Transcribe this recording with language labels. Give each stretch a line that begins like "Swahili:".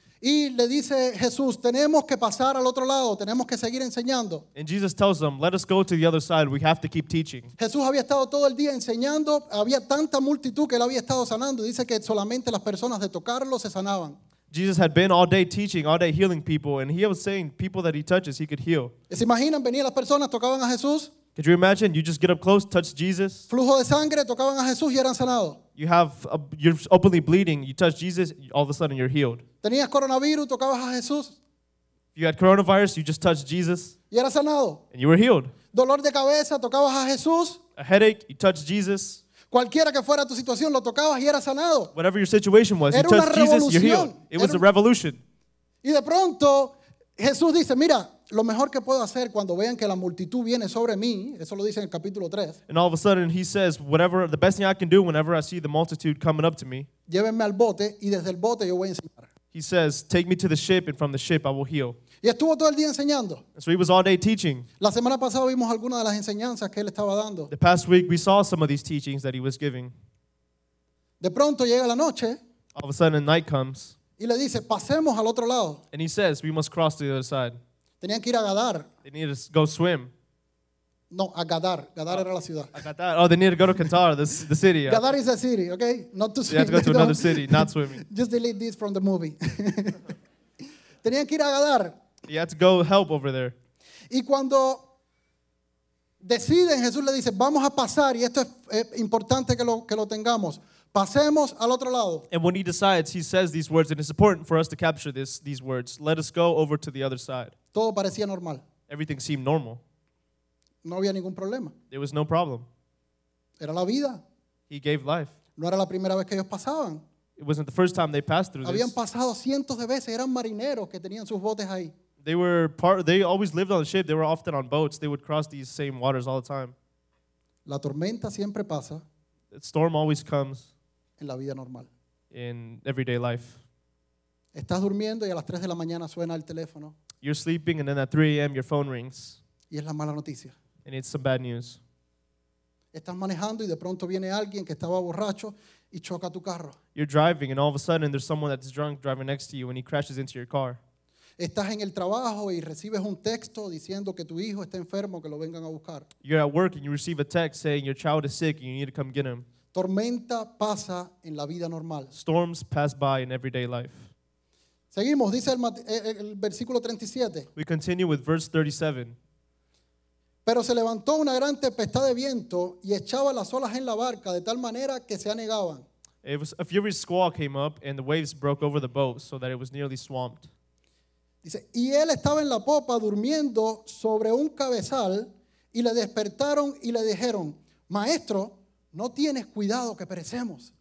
Spanish: Y le dice Jesús, tenemos que pasar al otro lado, tenemos que seguir enseñando.
English: And Jesus tells them, let us go to the other side, we have to keep teaching.
Spanish: Jesús había estado todo el día enseñando, había tanta multitud que él había estado sanando. Dice que solamente las personas de tocarlo se sanaban.
English: Jesus had been all day teaching, all day healing people, and he was saying people that he touches, he could heal.
Spanish: ¿Se imaginan? Venían las personas, tocaban a Jesús.
English: Could you imagine? You just get up close, touch Jesus.
Spanish: Flujo de sangre, tocaban a Jesús y eran sanado.
English: You have, you're openly bleeding. You touch Jesus, all of a sudden you're healed.
Spanish: Tenías coronavirus, tocabas a Jesús.
English: You had coronavirus, you just touched Jesus.
Spanish: Y era sanado.
English: And you were healed.
Spanish: Dolor de cabeza, tocabas a Jesús.
English: A headache, you touched Jesus.
Spanish: Cualquiera que fuera tu situación, lo tocabas y era sanado.
English: Whatever your situation was,
Spanish: era
English: you touched Jesus, you're healed. It was
Spanish: era
English: a revolution.
Spanish: Y de pronto, Jesús dice, mira, lo mejor que puedo hacer cuando vean que la multitud viene sobre mí, eso lo dice en el capítulo 3.
English: And all of a sudden he says, whatever, the best thing I can do whenever I see the multitude coming up to me.
Spanish: Llévenme al bote y desde el bote yo voy a enseñar.
English: He says, take me to the ship and from the ship I will heal.
Spanish: Y estuvo todo el día enseñando.
English: And so he was all day teaching.
Spanish: La semana pasada vimos algunas de las enseñanzas que él estaba dando.
English: The past week we saw some of these teachings that he was giving.
Spanish: De pronto llega la noche.
English: All of a sudden night comes.
Spanish: Y le dice, pasemos al otro lado.
English: And he says, we must cross to the other side.
Spanish: Tenían que ir a nadar.
English: They needed to go swim.
Spanish: No, a Gadar. Gadar era la ciudad.
English: Oh, they need to go to Qatar, the city. Yeah. Gadar is a city, okay? Not to swim. You have to go to another city, not swimming. Just delete this from the movie.
Spanish: Tenían que ir a Gadar.
English: You had to go help over there.
Spanish: Y cuando deciden, Jesús le dice, vamos a pasar, y esto es importante que lo tengamos. Pasemos al otro lado.
English: And when he decides, he says these words, and it's important for us to capture these words. Let us go over to the other side.
Spanish: Todo parecía normal.
English: Everything seemed normal.
Spanish: No había ningún problema.
English: There was no problem.
Spanish: Era la vida.
English: He gave life.
Spanish: No era la primera vez que ellos pasaban.
English: It wasn't the first time they passed through.
Spanish: Habían
English: this.
Spanish: Habían pasado cientos de veces. Eran marineros que tenían sus botes ahí.
English: They were part. They always lived on the ship. They were often on boats. They would cross these same waters all the time.
Spanish: La tormenta siempre pasa.
English: The storm always comes.
Spanish: En la vida normal.
English: In everyday life.
Spanish: Estás durmiendo y a las 3 de la mañana suena el teléfono.
English: You're sleeping and then at 3 a.m. your phone rings.
Spanish: Y es la mala noticia.
English: And it's some bad news.
Spanish: Estás manejando y de pronto viene alguien que estaba borracho y choca tu carro.
English: You're driving and all of a sudden there's someone that's drunk driving next to you and he crashes into your car.
Spanish: Estás en el trabajo y recibes un texto diciendo que tu hijo está enfermo, que lo vengan a buscar.
English: You're at work and you receive a text saying your child is sick and you need to come get him.
Spanish: Tormenta pasa en la vida normal.
English: Storms pass by in everyday life.
Spanish: Seguimos, dice el versículo 37.
English: We continue with verse 37.
Spanish: Pero se levantó una gran tempestad de viento y echaba las olas en la barca de tal manera que se anegaban.
English: It was a furious squall came up and the waves broke over the boat so that it was nearly swamped.
Spanish: Dice, y él estaba en la popa durmiendo sobre un cabezal y le despertaron y le dijeron, Maestro, no tienes cuidado que perecemos.